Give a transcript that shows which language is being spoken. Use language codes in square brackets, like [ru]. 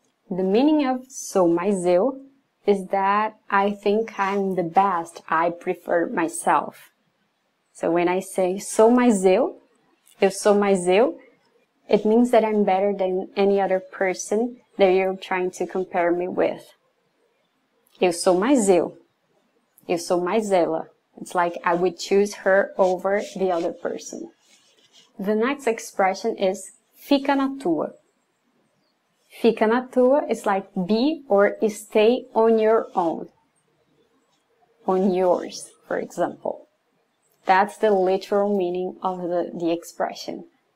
[en] The meaning of [pt] sou mais eu [en] is that I think I'm the best, I prefer myself. So when I say [pt] sou mais eu, eu sou mais eu, [en] it means that I'm better than any other person that you're trying to compare me with. [pt] Eu sou mais eu, eu sou mais ela. [en] It's like I would choose her over the other person. The next expression is [pt] fica na tua. Fica na tua [en] is like be or stay on your own. On yours, for example. That's the literal meaning of the expression.